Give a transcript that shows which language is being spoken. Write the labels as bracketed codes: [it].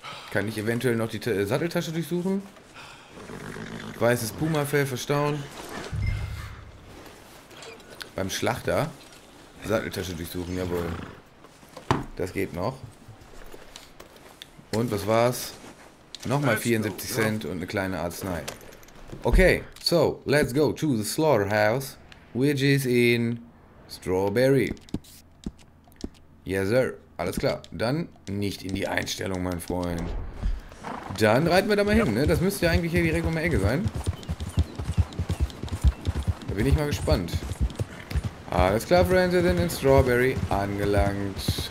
[de] Kann ich eventuell noch die Satteltasche durchsuchen? Weißes Puma-Fell verstauen. Beim Schlachter. Satteltasche durchsuchen, jawohl. Das geht noch. Und was war's? Nochmal 74 Cent und eine kleine Arznei. [en] Okay, so, let's go to the slaughterhouse, which is in Strawberry. Yes, sir. [de] Alles klar. Dann nicht in die Einstellung, mein Freund. Dann reiten wir da mal hin, ne? Das müsste ja eigentlich hier direkt um die Ecke sein. Da bin ich mal gespannt. Alles klar, Friends, wir sind in Strawberry angelangt.